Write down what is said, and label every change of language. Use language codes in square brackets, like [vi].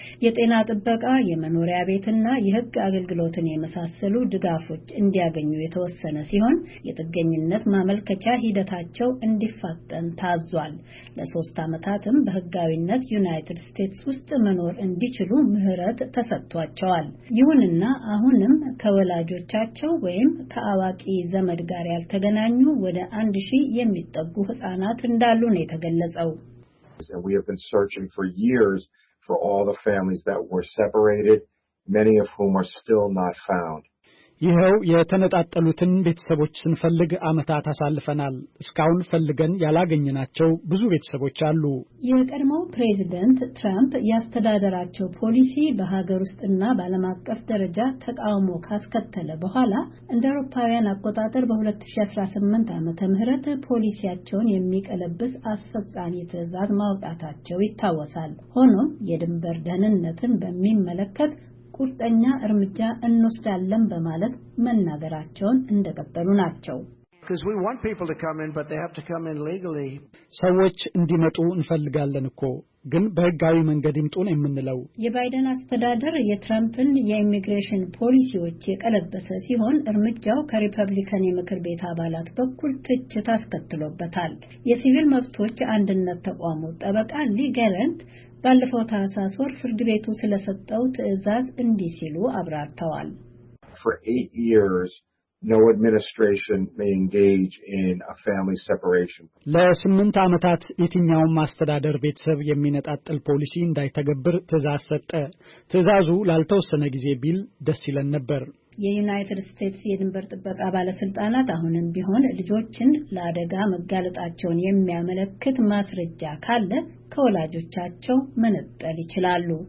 [am] የጤና ጥበቃ፣ የመኖሪያ ቤትና የህግ አገልግሎትን የመሳሰሉ ድጋፎች እንዲያገኙ የተወሰነ ሲሆን የጥገኝነት ማመልከቻ ሂደታቸው እንዲፋጠን ታዟል። ለሶስት አመታትም በህጋዊነት ዩናይትድ ስቴትስ ውስጥ መኖር እንዲችሉ ምህረት ተሰጥቷቸዋል። ይሁንና አሁንም ከወላጆቻቸው ወይም ከአዋቂ ዘመድ ጋር ያልተገናኙ ወደ 1000 የሚጠጉ ህፃናት እንዳሉ ነው የተገለጸው። [en] And we have been searching for years for all the families that were separated, many of whom are still not found. [am] ይኸው የተነጣጠሉትን ቤተሰቦች ስንፈልግ አመታት አሳልፈናል። እስካሁን ፈልገን ያላገኘናቸው ብዙ ቤተሰቦች አሉ። የቀድሞው ፕሬዝዳንት ትራምፕ ያስተዳደራቸው ፖሊሲ በሀገር ውስጥና በዓለም አቀፍ ደረጃ ተቃውሞ ካስከተለ በኋላ እንደ አውሮፓውያን አቆጣጠር በ2018 ዓመተ ምህረት ፖሊሲያቸውን የሚቀለብስ አስፈጻሚ ትዕዛዝ ማውጣታቸው ይታወሳል። ሆኖም የድንበር ደህንነትን በሚመለከት ቁርጠኛ እርምጃ እንወስዳለን በማለት መናገራቸውን እንደቀጠሉ ናቸው። [en] Because we want people to come in, but they have to come in legally. [am] ሰዎች እንዲመጡ እንፈልጋለን እኮ ግን በህጋዊ መንገድ ይምጡ ነው የምንለው። የባይደን አስተዳደር የትራምፕን የኢሚግሬሽን ፖሊሲዎች የቀለበሰ ሲሆን እርምጃው ከሪፐብሊካን የምክር ቤት አባላት በኩል ትችት አስከትሎበታል። የሲቪል መብቶች አንድነት ተቋሙ ጠበቃ ሊጋላንት ባለፈው ታህሳስ ወር ፍርድ ቤቱ ስለሰጠው ትዕዛዝ እንዲህ ሲሉ አብራርተዋል። [en] For 8 years no administration may engage in a family separation. [am] ለ8 አመታት የትኛው ማስተዳደር ቤተሰብ የሚነጣጥል ፖሊሲ እንዳይተገብር ትዕዛዝ ሰጠ። ትዕዛዙ ላልተወሰነ ጊዜ ቢል ደስ ይለን ነበር። የዩናይትድ ስቴትስ የድንበር ጥበቃ ባለስልጣናት አሁንም ቢሆን ልጆችን ለአደጋ መጋለጣቸውን የሚያመለክት ማስረጃ ካለ ከወላጆቻቸው መነጠል ይችላሉ።